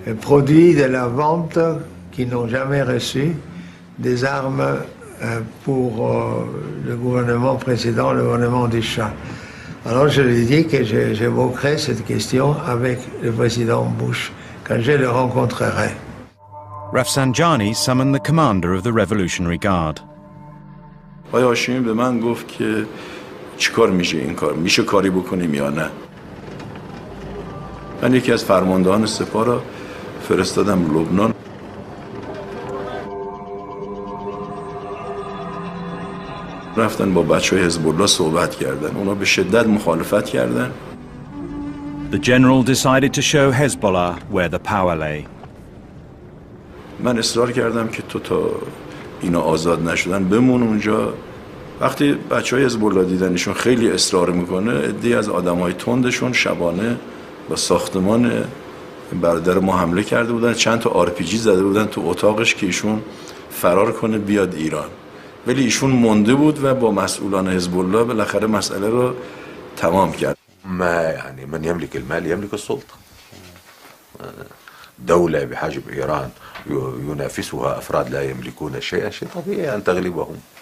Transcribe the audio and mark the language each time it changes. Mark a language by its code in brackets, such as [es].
[fr] Produits de la vente qu'ils n'ont jamais reçu, des armes pour le gouvernement précédent, le gouvernement du Shah. Alors je lui ai dit que j'évoquerai cette question avec le président Bush quand je le rencontrerai. [en] Rafsanjani summoned the commander of the Revolutionary Guard. [fr] Oui, Hashim, il m'a dit que je vais faire ce que je veux. Je vais faire ce que je veux. [fa] Je vais فرستادم لبنان. رفتن با بچه‌های حزب الله صحبت کردن. اونا به شدت مخالفت کردن. [en] The general decided to show Hezbollah where the power lay. [fa] من اصرار کردم که تو تا اینا آزاد نشدن بمون اونجا. وقتی بچه‌های حزب الله دیدنشون خیلی اصرار میکنه، عده‌ای از آدم‌های تندشون شبانه با ساختمان برادر ما حمله کرده بودن، چند تا RPG زده بودن تو اتاقش که ایشون فرار کنه بیاد ایران. ولی ایشون مونده بود و با مسئولان حزب الله بالاخره مسئله رو تمام کرد. [ar] ما یعنی من یملک المال یملک السلطه. دوله بحجب ایران ينافسها افراد لا يملكون شيئا شيء طبيعي ان تغلبهم.